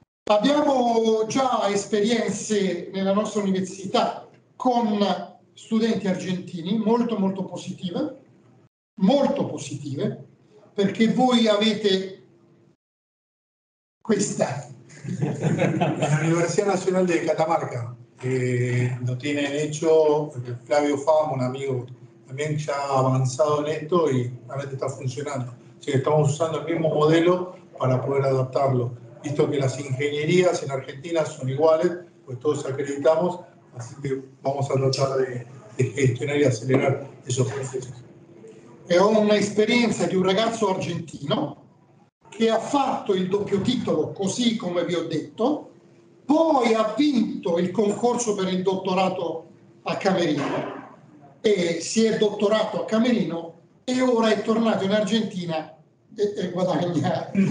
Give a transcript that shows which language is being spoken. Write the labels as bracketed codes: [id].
[it] Abbiamo già esperienze nella nostra università con studenti argentini molto molto positive, perché voi avete questa. [es] La Universidad Nacional de Catamarca lo tiene hecho Flavio Fama, un amigo también ya avanzado en esto y realmente está funcionando. Así que estamos usando el mismo modelo para poder adaptarlo. Visto que las ingenierías en Argentina son iguales, pues todos acreditamos, así que vamos a tratar de gestionar y acelerar esos procesos. Es una experiencia de un [it] ragazzo argentino che ha fatto il doppio titolo, così come vi ho detto, poi ha vinto il concorso per il dottorato a Camerino e si è dottorato a Camerino e ora è tornato in Argentina e guadagna.